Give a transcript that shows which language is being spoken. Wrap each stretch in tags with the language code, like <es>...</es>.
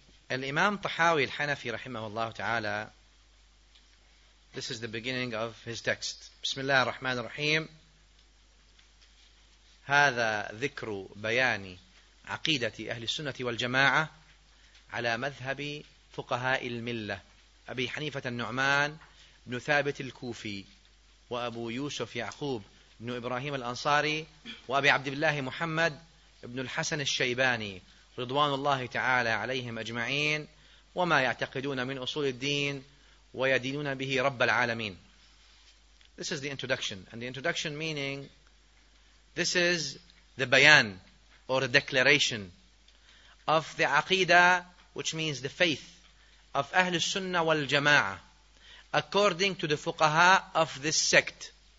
<en>Al-Imam Tahawi al-Hanafi rahimahullah ta'ala, this is the beginning of his text.</en> <ar>Bismillah ar-Rahman ar-Rahim. هذا ذكر بيان عقيدة أهل السنة والجماعة على مذهب فقهاء الملة أبي حنيفة النعمان بن ثابت الكوفي وأبو يوسف يعقوب بن إبراهيم الأنصاري وأبي عبد الله محمد بن الحسن الشيباني رضوان الله تعالى عليهم أجمعين وما يعتقدون من أصول الدين ويدينون به رب العالمين.</ar> <en>This is the introduction. And the introduction meaning, this is the bayan or the declaration of the aqidah, which means the faith of Ahlul Sunnah wal Jama'ah, according to the fuqaha of this sect.</en>